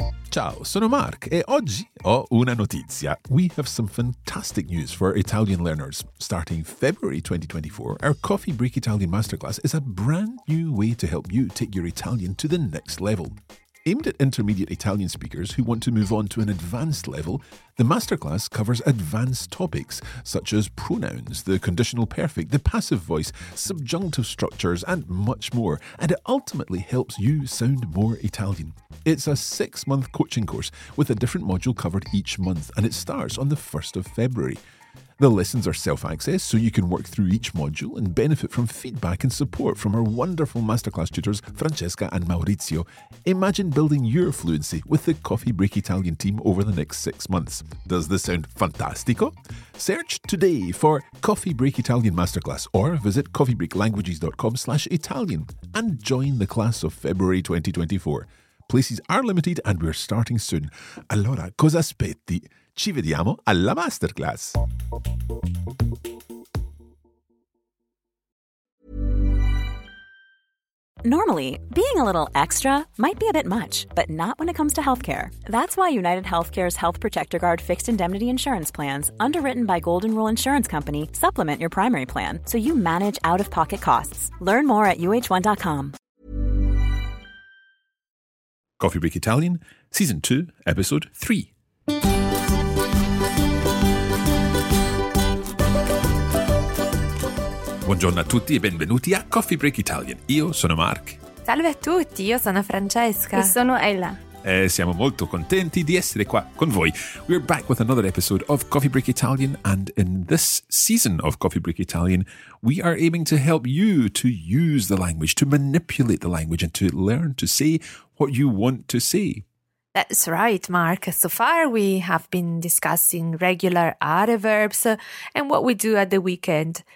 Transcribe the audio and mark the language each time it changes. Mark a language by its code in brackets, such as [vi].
[it] Ciao, sono Mark e oggi ho una notizia. [en] We have some fantastic news for Italian learners. Starting February 2024, our Coffee Break Italian Masterclass is a brand new way to help you take your Italian to the next level. Aimed at intermediate Italian speakers who want to move on to an advanced level, the masterclass covers advanced topics such as pronouns, the conditional perfect, the passive voice, subjunctive structures, and much more, and it ultimately helps you sound more Italian. It's a six-month coaching course with a different module covered each month, and it starts on the 1st of February. The lessons are self-access, so you can work through each module and benefit from feedback and support from our wonderful masterclass tutors, Francesca and Maurizio. Imagine building your fluency with the Coffee Break Italian team over the next 6 months. Does this sound fantastico? Search today for Coffee Break Italian Masterclass or visit coffeebreaklanguages.com/Italian and join the class of February 2024. Places are limited and we're starting soon. [it] Allora, cosa aspetti? Ci vediamo alla masterclass. [en] Normally, being a little extra might be a bit much, but not when it comes to healthcare. That's why United Healthcare's Health Protector Guard fixed indemnity insurance plans, underwritten by Golden Rule Insurance Company, supplement your primary plan so you manage out-of-pocket costs. Learn more at uh1.com. Coffee Break Italian, Season 2, Episode 3. [it] Buongiorno a tutti e benvenuti a Coffee Break Italian. Io sono Mark. Salve a tutti, io sono Francesca. E sono Ella. E siamo molto contenti di essere qua con voi. [en] We're back with another episode of Coffee Break Italian, and in this season of Coffee Break Italian, we are aiming to help you to use the language, to manipulate the language, and to learn to say what you want to say. That's right, Mark. So far, we have been discussing regular adverbs and what we do at the weekend.